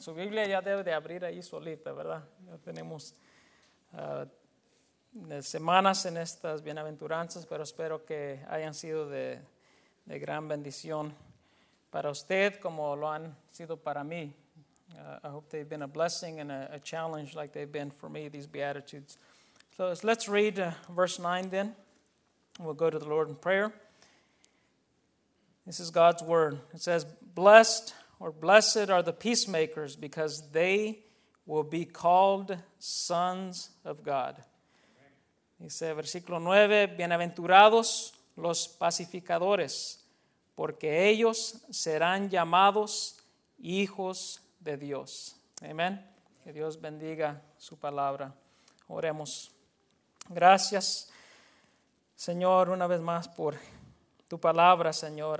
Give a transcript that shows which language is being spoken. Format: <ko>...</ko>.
<es>Su Biblia ya debe de abrir ahí solita, ¿verdad? Ya tenemos semanas en estas bienaventuranzas, pero espero que hayan sido de gran bendición para usted, como lo han sido para mí.</es> <en>I hope they've been a blessing and a challenge like they've been for me, these Beatitudes. So let's read verse 9 then. We'll go to the Lord in prayer. This is God's word. It says, "Blessed or blessed are the peacemakers, because they will be called sons of God."</en> <es>Dice versículo 9, "Bienaventurados los pacificadores, porque ellos serán llamados hijos de Dios." Amén. Que Dios bendiga su palabra. Oremos. Gracias, Señor, una vez más por tu palabra, Señor.</es>